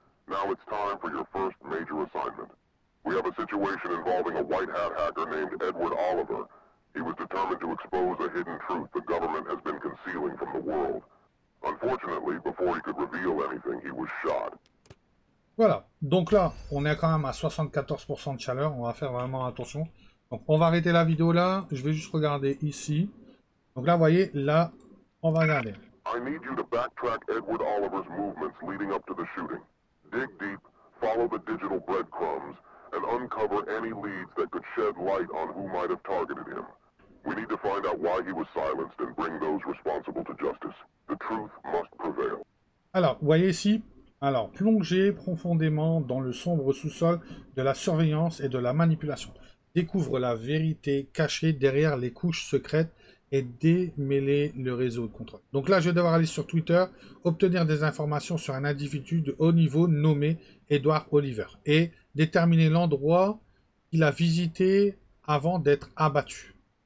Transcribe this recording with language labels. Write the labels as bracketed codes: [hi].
[en] Now it's time for your first major assignment. We have a situation involving a white hat hacker named Edward Oliver. He was determined to expose a hidden truth the government has been concealing from the world. Unfortunately, before he could reveal anything, he was shot. [fr] Voilà. Donc là, on est quand même à 74% de chaleur. On va faire vraiment attention. Donc on va arrêter la vidéo là, je vais juste regarder ici. Donc là, vous voyez, là, on va regarder. [en] I need you to backtrack Edward Oliver's movements leading up to the shooting. Dig deep, follow the digital breadcrumbs, and uncover any leads that could shed light on who might have targeted him. We need to find out why he was silenced and bring those responsible to justice. The truth must prevail. [fr] Alors, vous voyez ici, alors, plongez profondément dans le sombre sous-sol de la surveillance et de la manipulation. Découvre la vérité cachée derrière les couches secrètes et démêlez le réseau de contrôle. Donc là, je vais devoir aller sur Twitter, obtenir des informations sur un individu de haut niveau nommé Edward Oliver et déterminer l'endroit qu'il a visité avant d'être abattu.